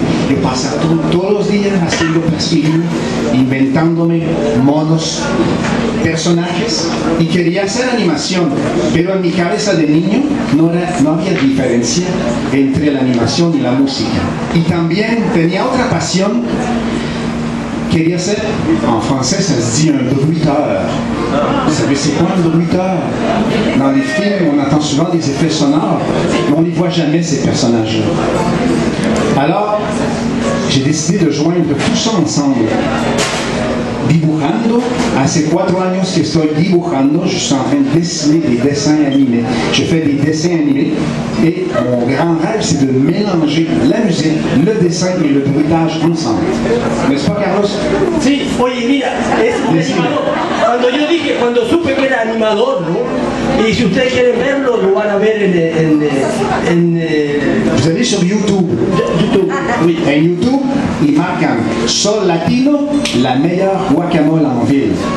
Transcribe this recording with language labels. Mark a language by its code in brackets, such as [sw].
[es] Yo pasaba todos los días haciendo plastilina, inventándome monos, personajes, y quería hacer animación. Pero en mi cabeza de niño no había diferencia entre la animación y la música. Y también tenía otra pasión. Quería ser, en francés se dice un bruiteur. ¿Sabes qué es un bruiteur? En los filmes, [fr] on attend souvent des effets sonores, pero on n'y voit jamais ces personnages. Alors, j'ai décidé de joindre tout ça ensemble. [es] Dibujando, hace 4 años que estoy dibujando, [fr] je suis en train de dessiner des dessins animés. Je fais des dessins animés, et mon grand rêve, c'est de mélanger la musique, le dessin et le bruitage ensemble. N'est-ce pas, Carlos? [es] Sí, oye, mira, es un animador. Cuando supe que era animador, ¿no? Y si ustedes quieren verlo, lo van a ver en [fr] Vous allez sur YouTube. YouTube, oui. [es] En YouTube. Y marcan Sol Latino, la mejor guacamole [fr] en ville.